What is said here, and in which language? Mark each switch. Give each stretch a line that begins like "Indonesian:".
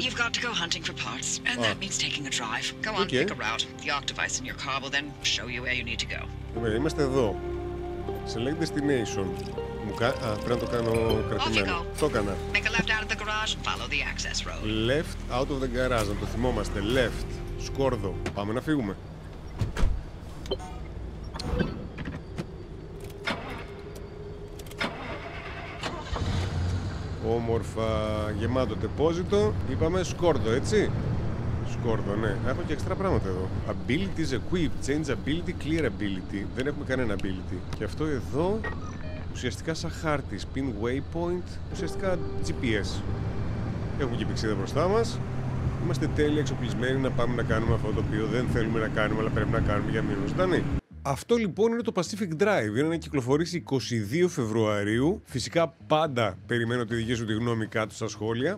English: you've got to go hunting for parts, and that means taking a drive. Go on, pick a route. The arc device in your car will then show you where you need to go.
Greek: Είμαστε εδώ.
English: Select destination.
Greek: Πρέπει να το κάνω κρατημένο. Το έκανα.
English: Make a left out of the garage and follow the access road. Left out of the garage,
Greek: να το θυμόμαστε. Left. Σκόρδο. Πάμε να φύγουμε. Όμορφα, γεμάτο τεπόζιτο. Είπαμε σκόρδο, έτσι. Σκόρδο, ναι. Έχω και έξτρα πράγματα εδώ.
English: Abilities equipped, change ability, clear ability.
Greek: Δεν έχουμε κανένα ability. Και αυτό εδώ, ουσιαστικά σαν χάρτη.
English: Pin waypoint, ουσιαστικά GPS.
Greek: Έχουμε και πηξίδα μπροστά μας. Είμαστε τέλεια εξοπλισμένοι να πάμε να κάνουμε αυτό το οποίο δεν θέλουμε να κάνουμε, αλλά πρέπει να κάνουμε για μήνους, ζωντανή. Αυτό λοιπόν είναι το Pacific Drive. Είναι να κυκλοφορήσει 22 Φεβρουαρίου. Φυσικά πάντα περιμένω τη δική σου τη γνώμη κάτω στα σχόλια.